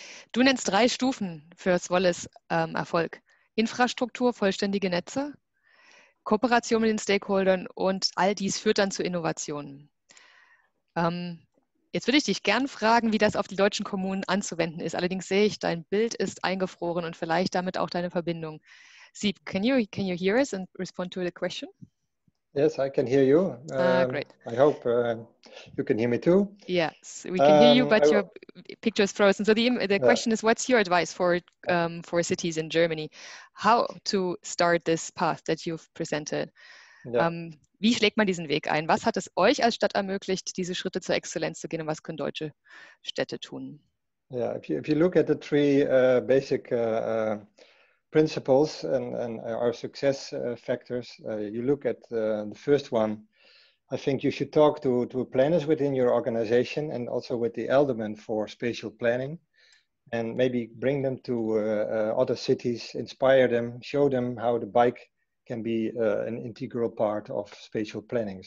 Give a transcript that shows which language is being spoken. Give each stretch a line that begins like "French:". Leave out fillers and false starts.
German: Du nennst drei Stufen für Swallis Erfolg. Infrastruktur, vollständige Netze, Kooperation mit den Stakeholdern und all dies führt dann zu Innovationen. Jetzt würde ich dich gern fragen, wie das auf die deutschen Kommunen anzuwenden ist. Allerdings sehe ich, dein Bild ist eingefroren und vielleicht damit auch deine Verbindung.
English: Sieb, can you hear us and respond to the question? Yes, I can hear you. Great. I hope you can hear me too. Yes, we can hear you, but your picture is frozen. So the question is, what's your advice for cities in Germany? How to start this path that you've presented?
German: Yeah. Wie schlägt man diesen Weg ein? Was hat es euch als Stadt ermöglicht, diese Schritte zur Exzellenz zu gehen? Und was können deutsche Städte tun?
English: Yeah, if you look at the three basic principles and our success factors, you look at the first one. I think you should talk to planners within your organization and also with the aldermen for spatial planning, and maybe bring them to other cities, inspire them, show them how the bike can be an integral part of spatial planning.